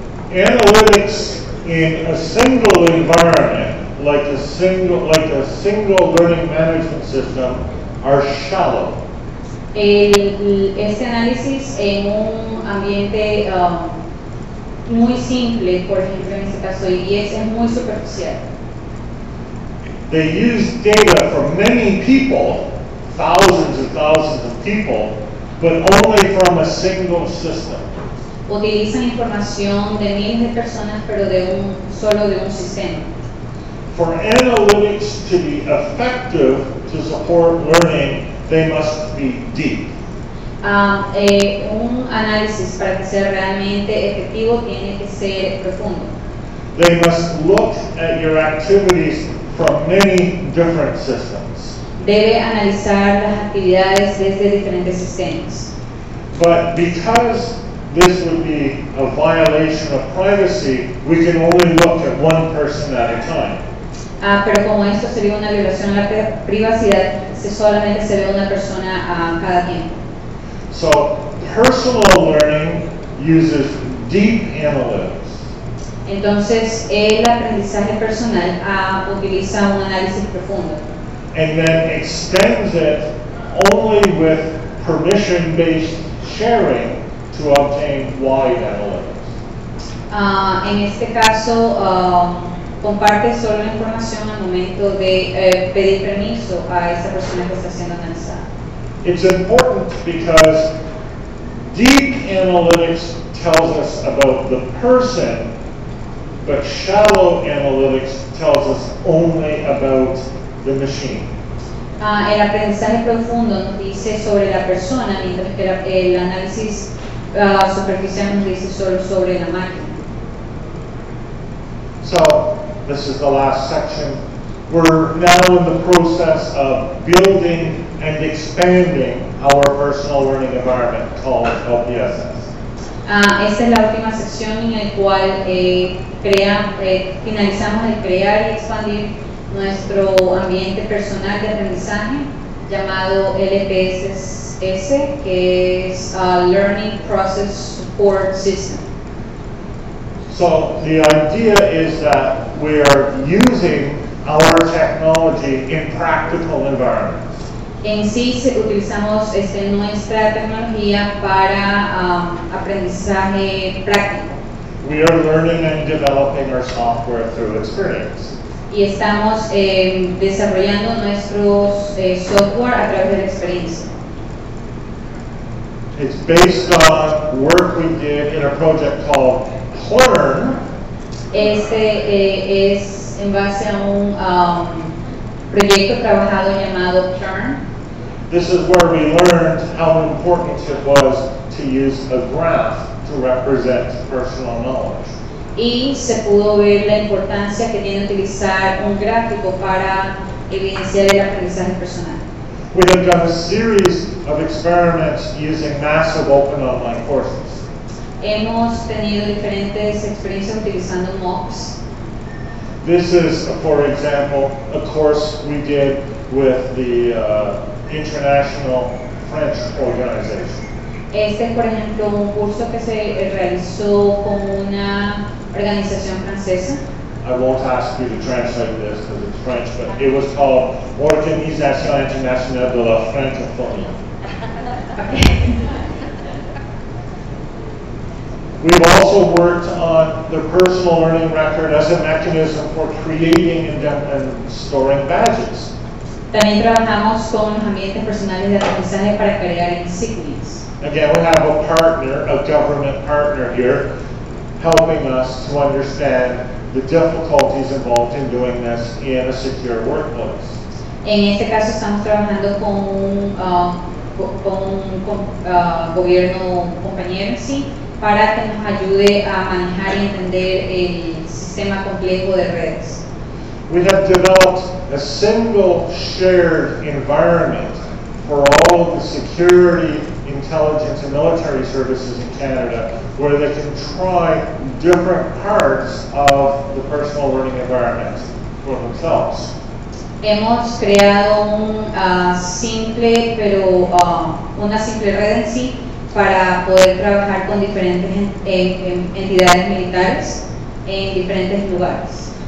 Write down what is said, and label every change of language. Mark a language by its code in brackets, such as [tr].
[en] Analytics in a single environment, like a single learning management system, are shallow. [es] Este análisis en un ambiente muy simple, por ejemplo en este caso, y es muy superficial. [en] They use data from many people, thousands and thousands of people, but only from a single system. [es] Utilizan información de miles de personas, pero de un solo de un sistema. [en] For analytics to be effective to support learning, they must be deep. [es] Un análisis para que sea realmente efectivo tiene que ser profundo. [en] They must look at your activities from many different systems. [es] Debe analizar las actividades desde diferentes sistemas. [en] But because this would be a violation of privacy, we can only look at one person at a time. [es] Pero como esto sería una violación a la privacidad, se solamente se ve una persona cada tiempo. [en] So, personal learning uses deep analytics. [es] Entonces, el aprendizaje personal utiliza un análisis profundo. [en] And then extends it only with permission-based sharing to obtain wide analytics. [es] En este caso, comparte solo información al momento de pedir permiso a esa persona que está siendo analizada. [en] It's important because deep analytics tells us about the person, but shallow analytics tells us only about the machine. [es] El aprendizaje profundo nos dice sobre la persona, mientras que el análisis superficial nos dice solo sobre la máquina. [en] So, this is the last section. We're now in the process of building and expanding our personal learning environment called OPSS. [es] Esta es la última sección en la cual finalizamos el crear y expandir nuestro ambiente personal de aprendizaje llamado LPSS, que es Learning Process Support System. [en] So the idea is that we are using our technology in practical environments. [es] En sí, utilizamos nuestra tecnología para aprendizaje práctico. [en] We are learning and developing our software through experience. [es] Y estamos desarrollando nuestro software a través de la experiencia. [en] It's based on work we did in a project called CLEARN. [es] Es en base a un proyecto trabajado llamado CLEARN. [en] This is where we learned how important it was to use a graph to represent personal knowledge. [es] Y se pudo ver la importancia que tiene utilizar un gráfico para evidenciar el aprendizaje personal. [en] We have done a series of experiments using massive open online courses. [es] Hemos tenido diferentes experiencias utilizando MOOCs. [en] This is, for example, a course we did with the International French Organization. [es] Este es, por ejemplo, un curso que se realizó con una organización francesa. [en] I won't ask you to translate this because it's French, but it was called Organisation Internationale de la Francophonie. We've also worked on the personal learning record as a mechanism for creating and storing badges. [es] También trabajamos con los ambientes personales de aprendizaje para crear insignias. [en] Again, we have a partner, a government partner here, helping us to understand the difficulties involved in doing this in a secure workplace. [es] En este caso estamos trabajando con gobierno compañero, sí, para que nos ayude a manejar y entender el sistema complejo de redes. [en] We have developed a single shared environment for all of the security, intelligence, and military services in Canada, where they can try different parts of the personal learning environment for themselves. [es] Hemos creado una simple red en sí para poder trabajar con diferentes entidades militares en diferentes lugares.